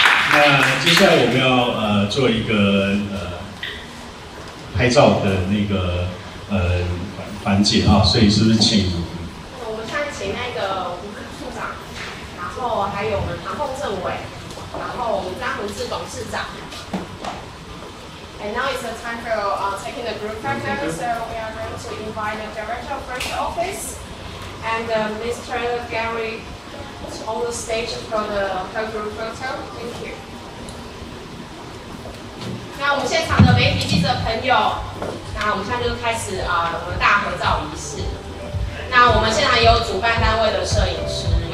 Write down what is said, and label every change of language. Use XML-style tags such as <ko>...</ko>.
<zh>那接下来我们要做一个拍照的那个环节啊，所以是不是请？我们先请那个胡处长，然后还有我们唐凤政委，然后我们詹宏志董事长。</zh> <en>And now it's the time for taking the group photo, so we are going to invite the director of first office and Mr. Gary on the stage for the whole group photo. Thank you.</en> <zh>那我们现场的媒体记者朋友。那我们现在就开始我们的大合照仪式。那我们现场有主办单位的摄影师。</zh>